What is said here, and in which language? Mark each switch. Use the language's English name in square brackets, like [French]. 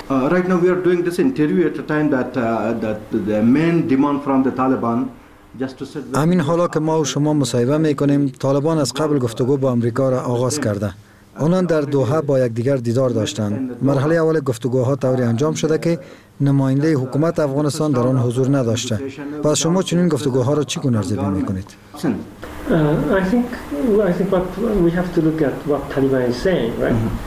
[English] Right now we are doing this interview at a time that the main demand from the Taliban. [Persian] همین حالا که ما و شما مصاحبه می کنیم، طالبان از قبل گفتگو با امریکا را آغاز کرده. آنان در دوحه با یکدیگر دیدار داشتند. مرحله اول گفتگوها طوری انجام شده که نماینده حکومت افغانستان در آن حضور نداشته. پس شما چنین گفتگوها را چی گونه ارزیابی می کنید؟ [English] I think what we have to look at what Taliban is saying, right?